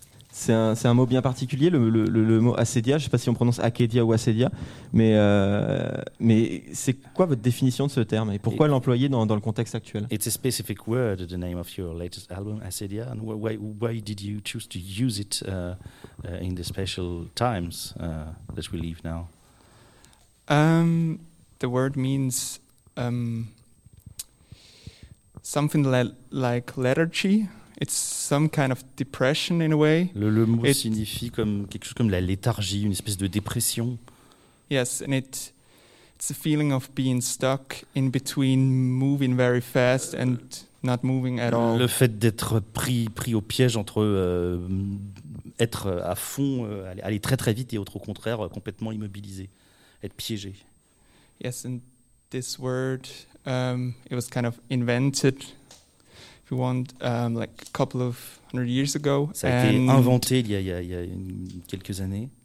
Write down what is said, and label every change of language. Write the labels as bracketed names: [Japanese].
[French] C'est un mot bien particulier, le mot Acedia. Je ne sais pas si on prononce Acadia ou Acedia, mais c'est quoi votre définition de ce terme et pourquoi l'employer dans le contexte actuel? [English] It's a specific word, the name of your latest album, Acedia. And why did you choose to use it in the special times that we live now? The word means something like lethargy. It's some kind of depression in a way. [French] Le mot it signifie comme quelque chose comme la léthargie, une espèce de dépression. [English] Yes, and it's a feeling of being stuck in between moving very fast and not moving at all. [French] Le fait d'être pris au piège entre être à fond, aller très très vite et autre au contraire complètement immobilisé, être piégé. [English] Yes, and this word it was kind of invented. We want like a couple of hundred years ago. [French] Ça a été inventé il y a quelques années.